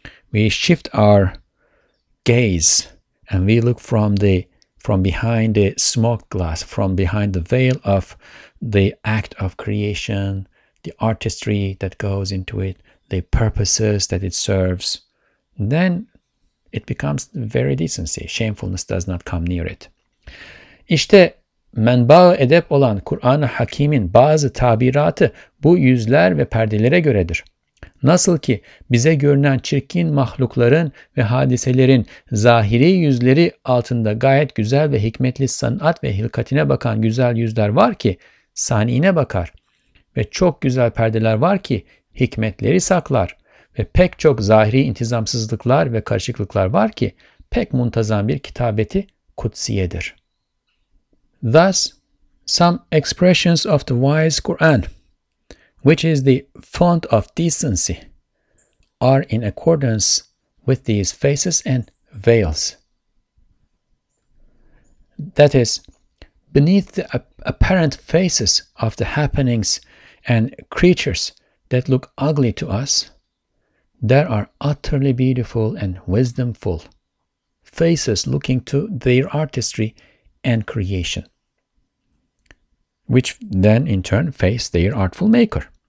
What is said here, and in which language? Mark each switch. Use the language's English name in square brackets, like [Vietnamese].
[English] We shift our gaze and we look from behind the smoked glass, from behind the veil of the act of creation, the artistry that goes into it, the purposes that it serves. Then it becomes very decency. Shamefulness does not come near it. [Turkish] İşte menba-ı edep olan Kur'an-ı Hakim'in bazı tabiratı bu yüzler ve perdelere göredir. Nasıl ki bize görünen çirkin mahlukların ve hadiselerin zahiri yüzleri altında gayet güzel ve hikmetli sanat ve hilkatine bakan güzel yüzler var ki saniyine bakar. Ve çok güzel perdeler var ki hikmetleri saklar. Ve pek çok zahiri intizamsızlıklar ve karışıklıklar var ki pek muntazam bir kitabeti kutsiyedir. [English] Thus, some expressions of the wise Quran, which is the font of decency, are in accordance with these faces and veils. That is, beneath the apparent faces of the happenings and creatures that look ugly to us, there are utterly beautiful and wisdomful faces looking to their artistry and creation, which then in turn face their artful maker.